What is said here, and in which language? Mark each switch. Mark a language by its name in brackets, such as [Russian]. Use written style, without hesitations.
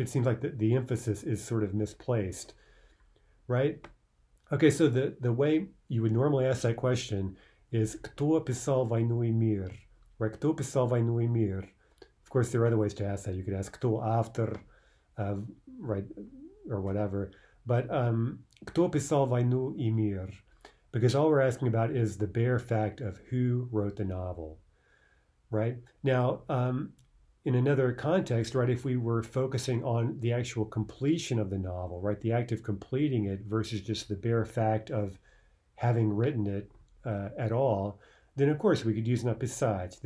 [English] It seems like the emphasis is sort of misplaced, right? Okay, so the way you would normally ask that question is [Russian] Кто писал войну и мир? [English] Right? [Russian] Кто писал войну и мир? [English] Of course, there are other ways to ask that. You could ask [Russian] "кто автор," [English] right, or whatever. But [Russian] "кто писал войну и мир?" [English] Because all we're asking about is the bare fact of who wrote the novel, right? Now, in another context, right, if we were focusing on the actual completion of the novel, right, the act of completing it versus just the bare fact of having written it at all, then of course we could use "написать."